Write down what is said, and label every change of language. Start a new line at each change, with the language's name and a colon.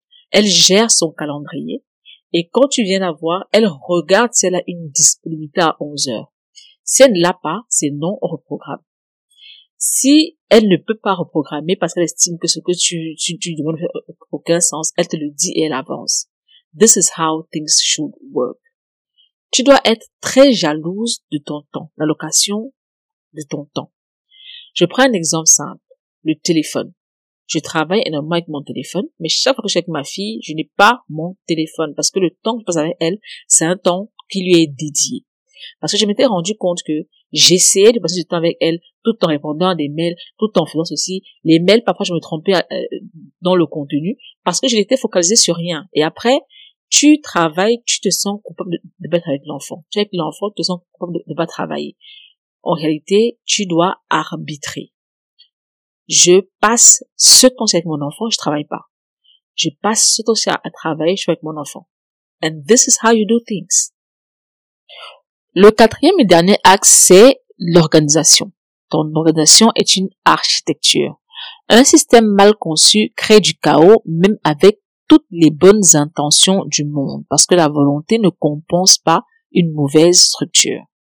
French: Elle gère son calendrier et quand tu viens la voir, elle regarde si elle a une disponibilité à 11h. Si elle ne l'a pas, c'est non, on reprogramme. Si elle ne peut pas reprogrammer parce qu'elle estime que ce que tu demandes n'a aucun sens, elle te le dit et elle avance.
English: This is how things should work.
French: Tu dois être très jalouse de ton temps, l'allocation de ton temps. Je prends un exemple simple, le téléphone. Je travaille énormément avec mon téléphone, mais chaque fois que je suis avec ma fille, je n'ai pas mon téléphone parce que le temps que je passe avec elle, c'est un temps qui lui est dédié. Parce que je m'étais rendu compte que j'essayais de passer du temps avec elle tout en répondant à des mails, tout en faisant ceci. Les mails, parfois, je me trompais dans le contenu parce que je n'étais focalisée sur rien. Et après, tu travailles, tu te sens coupable de battre avec l'enfant. Tu es avec l'enfant, tu te sens coupable de pas travailler. En réalité, tu dois arbitrer. Je passe ce temps-ci avec mon enfant, je travaille pas. Je passe ce temps-ci à travailler, je suis avec mon enfant.
English: And this is how you do things.
French: Le quatrième et dernier axe, c'est l'organisation. Ton organisation est une architecture. Un système mal conçu crée du chaos, même avec toutes les bonnes intentions du monde, parce que la volonté ne compense pas une mauvaise structure.